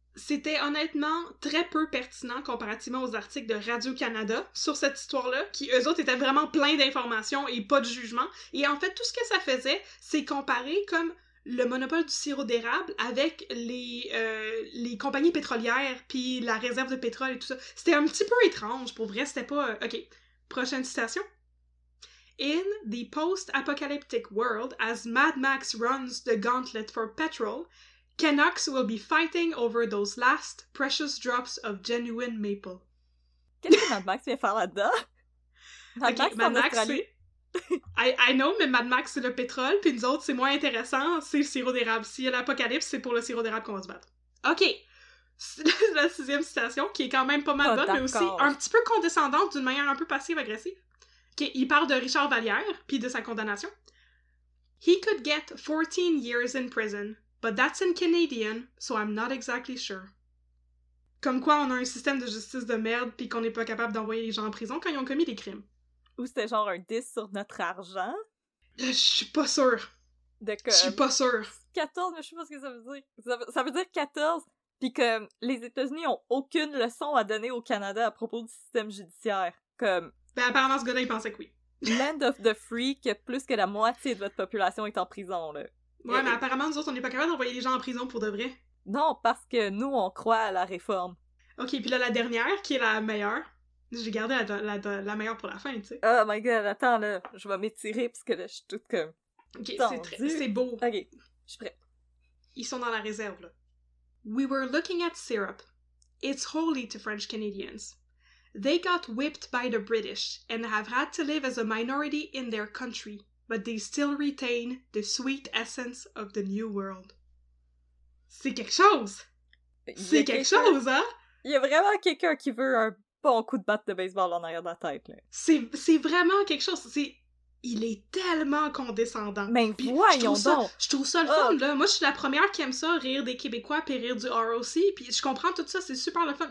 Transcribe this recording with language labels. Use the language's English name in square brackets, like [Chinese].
[French] C'était honnêtement très peu pertinent comparativement aux articles de Radio-Canada sur cette histoire-là, qui eux autres étaient vraiment pleins d'informations et pas de jugement. Et en fait, tout ce que ça faisait, c'est comparer comme le monopole du sirop d'érable avec les compagnies pétrolières puis la réserve de pétrole et tout ça. C'était un petit peu étrange, pour vrai, c'était pas... Ok, prochaine citation. [English] In the post-apocalyptic world, as Mad Max runs the gauntlet for petrol, Canucks will be fighting over those last precious drops of genuine maple. [French] Qu'est-ce que Mad Max vient faire là-dedans? Mad Max, [English] I know, [French] mais Mad Max, c'est le pétrole, puis nous autres, c'est moins intéressant, c'est le sirop d'érable. S'il y a l'apocalypse, c'est pour le sirop d'érable qu'on va se battre. OK! La sixième citation, qui est quand même pas mal bonne, d'accord. Mais aussi un petit peu condescendante d'une manière un peu passive-agressive. Il parle de Richard Vallière, puis de sa condamnation. [English] He could get 14 years in prison, but that's in Canadian, so I'm not exactly sure. [French] Comme quoi on a un système de justice de merde, puis qu'on n'est pas capable d'envoyer les gens en prison quand ils ont commis des crimes. Ou c'était genre un diss sur notre argent? Je suis pas sûre. D'accord. Je suis pas sûre. 14, mais je sais pas ce que ça veut dire. Ça veut dire 14, puis que les États-Unis ont aucune leçon à donner au Canada à propos du système judiciaire. Comme... Ben apparemment, ce gars-là, il pensait que oui. [English] Land of the free, [French] que plus que la moitié de votre population est en prison, là. Ouais, mais apparemment, nous autres, on n'est pas capable d'envoyer les gens en prison pour de vrai. Non, parce que nous, on croit à la réforme. Ok, puis là, la dernière, qui est la meilleure. J'ai gardé la meilleure pour la fin, tu sais. [English] Oh my god, [French] attends, là, je vais m'étirer, parce que là, je suis toute comme... Ok, c'est beau. Ok, je suis prête. Ils sont dans la réserve, là. [English] We were looking at syrup. It's holy to French Canadians. They got whipped by the British and have had to live as a minority in their country, but they still retain the sweet essence of the new world. [French] C'est quelque chose! C'est quelque chose, hein? Il y a vraiment quelqu'un qui veut un bon coup de batte de baseball en arrière de la tête, là. C'est vraiment quelque chose. Il est tellement condescendant. Mais puis voyons je donc! Ça, je trouve ça le fun, là. Moi, je suis la première qui aime ça, rire des Québécois, puis rire du ROC, puis je comprends tout ça, c'est super le fun.